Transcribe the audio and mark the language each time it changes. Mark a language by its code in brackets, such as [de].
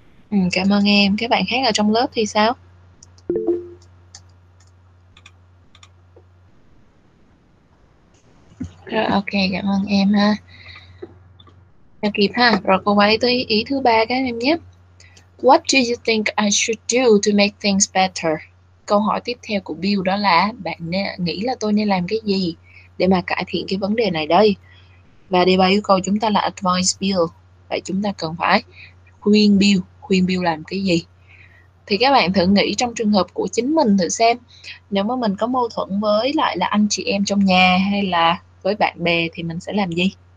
[vi] Ừ, cảm ơn em. Các bạn khác ở trong lớp thì sao? Ok, cảm ơn em ha. Được kịp ha. Rồi cô quay tới ý thứ ba các em nhé. [en] What do you think I should do to make things better? [vi] Câu hỏi tiếp theo của Bill đó là bạn nghĩ là tôi nên làm cái gì để mà cải thiện cái vấn đề này đây? Và đề bài yêu cầu chúng ta là advise Bill. Vậy chúng ta cần phải khuyên Bill, khuyên Bill làm cái gì? Thì các bạn thử nghĩ trong trường hợp của chính mình thử xem, nếu mà mình có mâu thuẫn với lại là anh chị em trong nhà hay là với bạn bè thì mình sẽ làm gì?